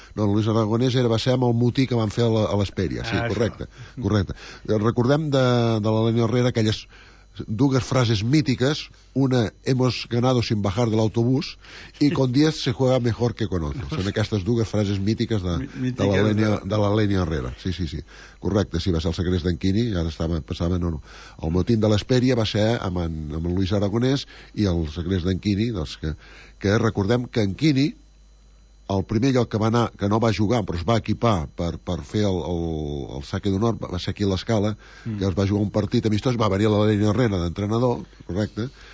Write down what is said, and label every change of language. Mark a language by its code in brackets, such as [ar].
[ca] No, en Luis Aragonés va ser amb el mutí que van fer a l'Espèria. Sí, correcte. Recordem de l'Elenio Herrera aquelles... dues frases mítiques, una, [es] hemos ganado sin bajar de l'autobús, [ca] i [es] con 10 se juega mejor que con otro. [ca] Són aquestes dues frases mítiques de l'Elenio Herrera. Sí. Correcte, sí, va ser el secret d'en Quini, ara passava... No. El motín de l'Espèria va ser amb en Luis Aragonés i el secret d'en Quini, doncs que recordem que en Quini, el primer lloc que va anar, que no va jugar, però es va equipar per fer el saque d'honor, va ser aquí a l'Escala, que es va jugar un partit amistós, va venir a l'Elenio Herrera d'entrenador, correcte,